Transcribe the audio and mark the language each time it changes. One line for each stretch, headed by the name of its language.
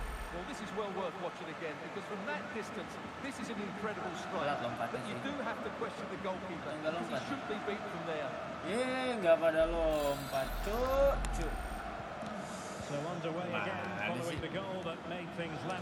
English: Well, this is well worth watching again because from that distance, this is an incredible strike. But you do have to question the goalkeeper.
Indonesian: Enggak lompat.
English: He should be beat from there.
Indonesian: Yeah, enggak pada lompat. Cuk, cuk.
English: So underway again, following the goal that made things level.